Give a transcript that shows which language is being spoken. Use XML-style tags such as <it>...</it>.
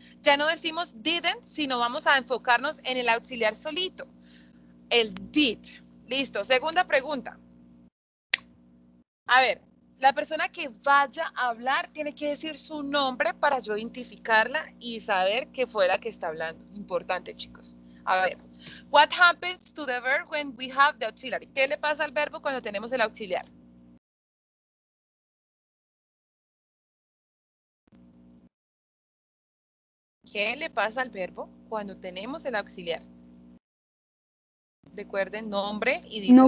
<es>Ya no decimos didn't, sino vamos a enfocarnos en el auxiliar solito. El did. Listo. Segunda pregunta. A ver, la persona que vaya a hablar tiene que decir su nombre para yo identificarla y saber que fue la que está hablando. Importante, chicos.</es> <en>A ver, what happens to the verb when we have the auxiliary?</en> <es>¿Qué le pasa al verbo cuando tenemos el auxiliar? ¿Qué le pasa al verbo cuando tenemos el auxiliar? Recuerden, nombre y dice no</es>